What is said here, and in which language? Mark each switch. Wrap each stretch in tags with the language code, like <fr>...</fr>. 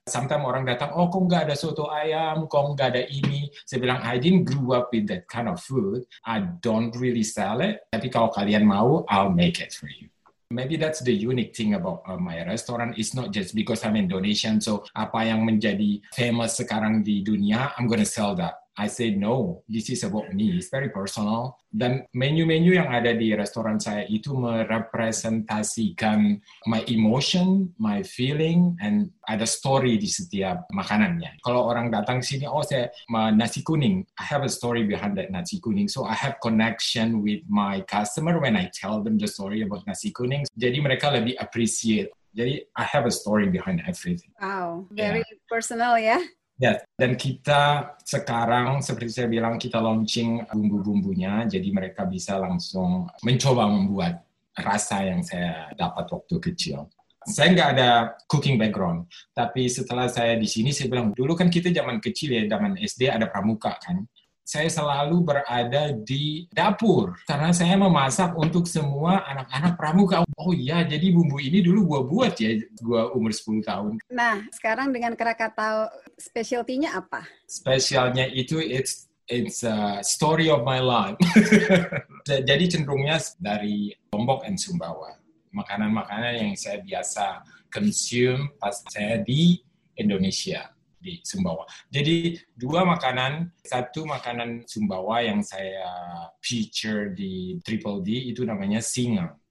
<id>Sometimes orang datang, oh kok nggak ada soto ayam, kok nggak ada ini. Saya bilang,</id> <en>I didn't grow up with that kind of food. I don't really sell it.</en> <id>Tapi kalau kalian mau,</id> <en>I'll make it for you. Maybe that's the unique thing about my restaurant. It's not just because I'm Indonesian, so</en> <id>apa yang menjadi famous sekarang di dunia,</id> <en>I'm gonna sell that. I say no, this is about me, it's very personal.</en> <id>Dan menu-menu yang ada di restoran saya itu merepresentasikan</id> <en>my emotion, my feeling,</en> <id>and ada story di setiap makanannya. Kalau orang datang sini, oh saya nasi kuning,</id> <en>I have a story behind that nasi kuning. So I have connection with my customer when I tell them the story about nasi kuning.</en> <id>Jadi mereka lebih appreciate. Jadi</id> <en>I have a story behind everything. Wow, very personal ya. Yes.</en> <id>Dan kita sekarang, seperti saya bilang, kita launching bumbu-bumbunya, jadi mereka bisa langsung mencoba membuat rasa yang saya dapat waktu kecil. Saya nggak ada cooking background, tapi setelah saya di sini, saya bilang, dulu kan kita zaman kecil ya, zaman SD ada pramuka kan. Saya selalu berada di dapur, karena saya memasak untuk semua anak-anak pramuka. Oh iya, jadi bumbu ini dulu gua buat ya, gua umur 10 tahun. Nah, sekarang dengan Krakatoa, specialty-nya apa? Specialty-nya itu,</id> <en>it's a story of my life.</en> <id>Jadi cenderungnya dari Lombok and Sumbawa. Makanan-makanan yang saya biasa consume pas saya di Indonesia. Di Sumbawa. Jadi dua makanan, satu makanan Sumbawa yang saya feature di Triple D itu namanya singa.</id>